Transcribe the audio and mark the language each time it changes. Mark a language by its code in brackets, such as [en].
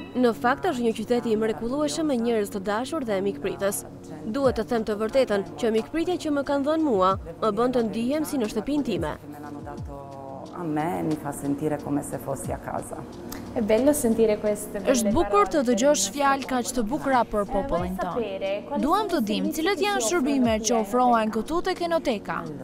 [sq] Në fakt është një qytet i mrekullueshëm me njerëz të dashur dhe mikpritës. Duhet të them të vërtetën që mikpritja që më kanë dhënë mua më bën të ndihem si në shtëpinë time. [it] A me mi fa sentire come se fossi a casa. È bello sentire queste. [sq] Është bukur të dëgjosh fjalë kaq të bukura për popullin tonë. Duam të dim cilët janë shërbimet që ofrohen këtu tek Enoteka.